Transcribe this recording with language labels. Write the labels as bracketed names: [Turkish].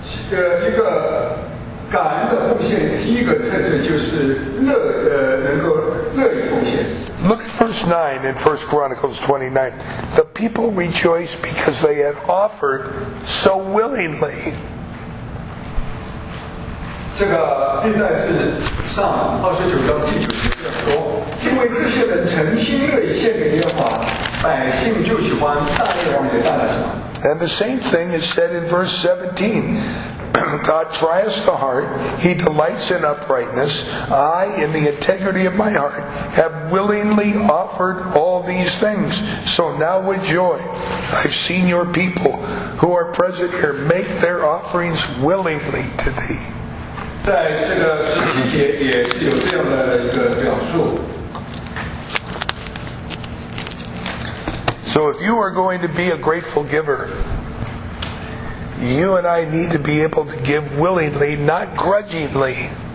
[Chinese] 一个感恩的奉献，第一个特征就是能够乐于奉献。 [English] Look at verse 9 in 1 Chronicles 29. The people rejoiced because they had offered so willingly. [Chinese] 这个历代志上29章第9节这样说，因为这些人诚心乐意献给耶和华，百姓就喜欢，大卫王也带来什么。 [English] And the same thing is said in verse 17. God tries the heart, He delights in uprightness. I, in the integrity of my heart, have willingly offered all these things. So now with joy, I've seen your people who are present here make their offerings willingly to thee. [Chinese] 在这个十七节也是有这样的一个表述。 [English] So if you are going to be a grateful giver, you and I need to be able to give willingly, not grudgingly.